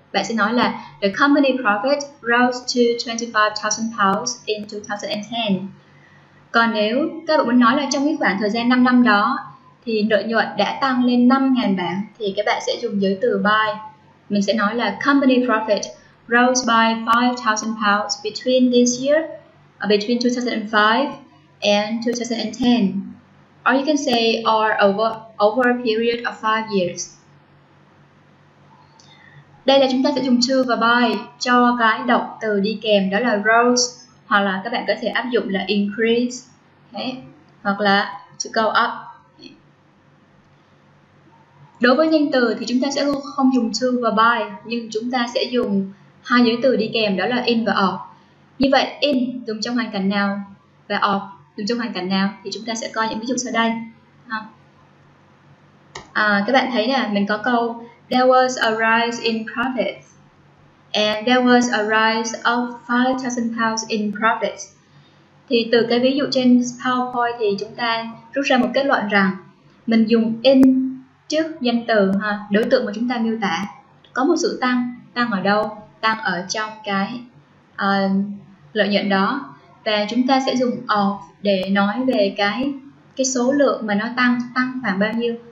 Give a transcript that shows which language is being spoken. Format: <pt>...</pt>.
<vi>Bạn sẽ nói là</vi> <en>the company profit rose to 25,000 pounds in 2010.</en> <vi>Còn nếu các bạn muốn nói là trong cái khoảng thời gian 5 năm đó thì lợi nhuận đã tăng lên 5.000 bảng thì các bạn sẽ dùng giới từ by. Mình sẽ nói là</vi> <en>company profit rose by 5,000 pounds between this year, between 2005 and 2010. Or you can say are over a period of 5 years.</en> <vi>Đây là chúng ta sẽ dùng to và by cho cái động từ đi kèm đó là rose, hoặc là các bạn có thể áp dụng là increase, okay, hoặc là to go up. Đối với danh từ thì chúng ta sẽ không dùng to và by, nhưng chúng ta sẽ dùng hai giới từ đi kèm đó là in và of. Như vậy in dùng trong hoàn cảnh nào và of dùng trong hoàn cảnh nào thì chúng ta sẽ coi những ví dụ sau đây. À, các bạn thấy nè, mình có câu</vi> <en>there was a rise in profits and there was a rise of 5,000 pounds in profits.</en> <vi>Thì từ cái ví dụ trên PowerPoint thì chúng ta rút ra một kết luận rằng mình dùng in trước danh từ ha, đối tượng mà chúng ta miêu tả. Có một sự tăng, tăng ở đâu? Tăng ở trong cái lợi nhuận đó. Và chúng ta sẽ dùng of để nói về cái số lượng mà nó tăng, tăng khoảng bao nhiêu?</vi>